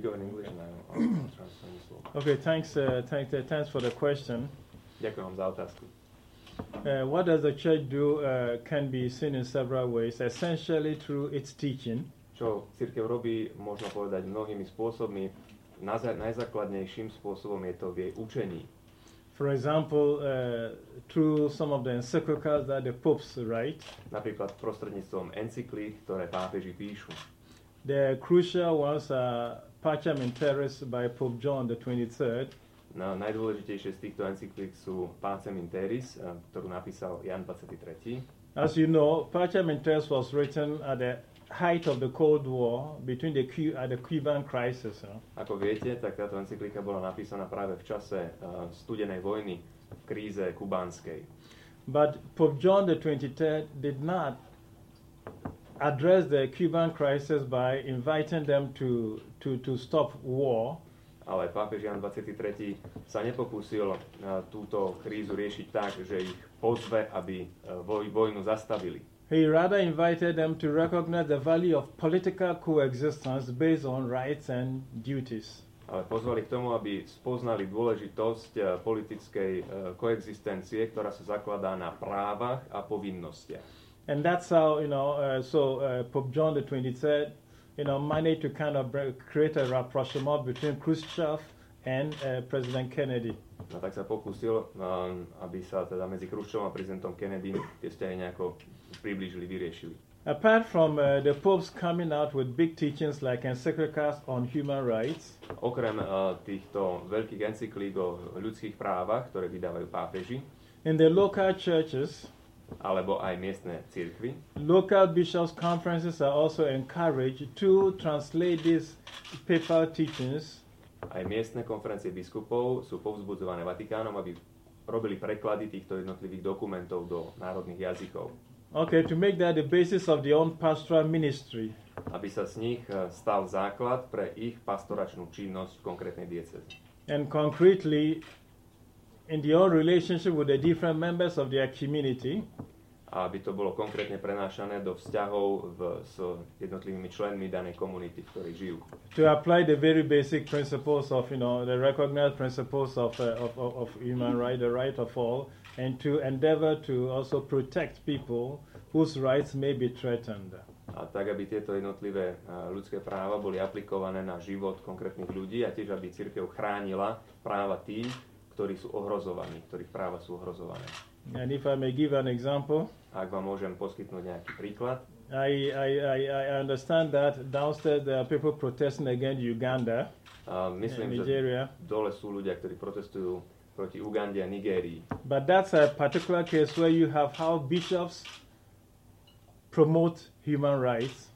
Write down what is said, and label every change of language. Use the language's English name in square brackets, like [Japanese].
[English] go in English and I'll translate this little. Okay, thanks for the question. [Slovak] Ďakujem za otázku. [English] What does the church do can be seen in several ways, essentially through its teaching. [Slovak] Čo cirkev robí, možno povedať mnohými spôsobmi, najzákladnejším spôsobom je to v jej učení. [English] For example, through some of the encyclicals that the popes write. [Slovak] Napríklad prostredníctvom encyklí, ktoré pápeži píšu. [English] The crucial ones are Pacem in Terris by Pope John the 23rd. [Slovak] No, najdôležitejšie z týchto encyklík sú Pacem in Terris, ktorú napísal Jan 23. [English] As you know, Pacem in Terris was written at the height of the Cold War between the Cuban crisis. [Slovak] Ako viete, tak táto encyklika bola napísaná práve v čase studenej vojny, kríze kubánskej. [English] But Pope John the 23rd did not address the Cuban crisis by inviting them to stop war. [Slovak] Ale pápež Jan 23. sa nepokúsil túto krízu riešiť tak, že ich pozve, aby vojnu zastavili. [English] He rather invited them to recognize the value of political coexistence based on rights and duties. [Slovak] Ale pozvali k tomu, aby spoznali dôležitosť politickej koexistencie, ktorá sa zakladá na právach a povinnostiach. [English] And that's how, you know, Pope John the 23rd, you know, managed to kind of create a rapprochement between Khrushchev and President Kennedy. [Slovak] No, tak sa pokúsil, aby sa teda medzi Khrushchevom a prezidentom Kennedy tie vzťahy nejako priblížili, vyriešili. [English] Apart from the popes coming out with big teachings like encyclicals on human rights, [Slovak] okrem týchto veľkých encyklík o ľudských právach, ktoré vydávajú pápeži, [English] in the local churches, [Slovak] alebo aj miestne cirkvi. [English] Local bishops' conferences are also encouraged to translate these papal teachings. [Slovak] Aj miestne konferencie biskupov sú povzbudzované Vatikánom, aby robili preklady týchto jednotlivých dokumentov do národných jazykov. [English] Okay, to make that the basis of their own pastoral ministry. [Slovak] Aby sa z nich stal základ pre ich pastoračnú činnosť v konkrétnej diecéze. [English] And concretely, in their own relationship with the different members of their community. [Slovak] Aby to bolo konkrétne prenášané do vzťahov s jednotlivými členmi danej komunity, v ktorej žijú. [English] To apply the very basic principles of, you know, the recognized principles of human right, the right of all, and to endeavor to also protect people whose rights may be threatened. [Slovak] A tak, aby tieto jednotlivé ľudské práva boli aplikované na život konkrétnych ľudí a tiež, aby cirkev chránila práva tým, ktorí sú ohrozovaní, ktorých práva sú ohrozované. [English] And if I may give an example, [Slovak] ak vám môžem poskytnúť nejaký príklad. [English] I understand that downstairs there are people protesting against Uganda. [Slovak] Myslím, že dole sú ľudia, ktorí protestujú proti Ugande a Nigérii. [English] But that's a particular case where you have how bishops promote human rights.